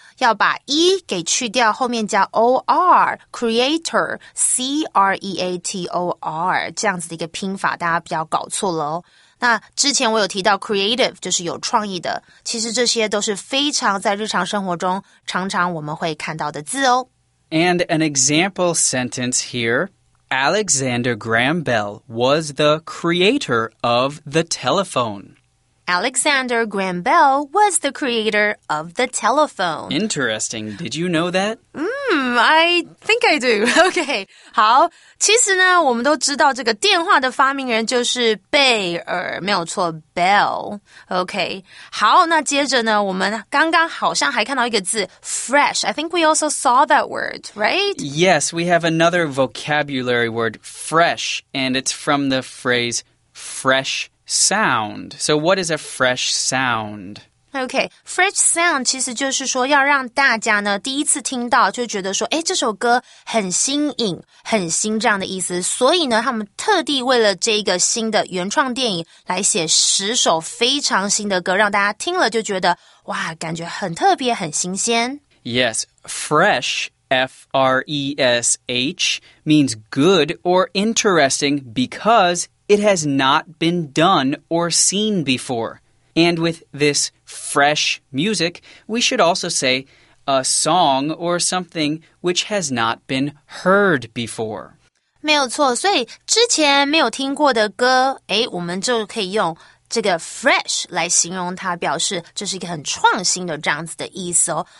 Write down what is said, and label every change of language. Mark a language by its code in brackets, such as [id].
[zh] 要把 E 给去掉，后面加 O-R, creator, C-R-E-A-T-O-R, 这样子的一个拼法，大家不要搞错了哦。那之前我有提到 creative, 就是有创意的，其实这些都是非常在日常生活中常常我们会看到的字哦。 [en] And an example sentence here, Alexander Graham Bell was the creator of the telephone. Alexander Graham Bell was the creator of the telephone. Interesting. Did you know that? I think I do. Okay. [zh] 好，其实呢，我们都知道这个电话的发明人就是贝尔，没有错 ，Bell. Okay. 好，那接着呢，我们刚刚好像还看到一个字 ，fresh. [en] I think we also saw that word, right? Yes, we have another vocabulary word, fresh, and it's from the phrase fresh. Sound. So what is a fresh sound? [zh] Okay, fresh sound 其实就是说要让大家呢第一次听到就觉得说诶这首歌很新颖很新这样的意思。所以呢他们特地为了这个新的原创电影来写十首非常新的歌让大家听了就觉得哇感觉很特别很新鲜。 [en] Yes, fresh, F-R-E-S-H, means good or interesting becauseIt has not been done or seen before. And with this fresh music, we should also say a song or something which has not been heard before. [zh] 没有错，所以之前没有听过的歌，诶，我们就可以用这个 fresh 来形容它，表示这是一个很创新的这样子的意思哦。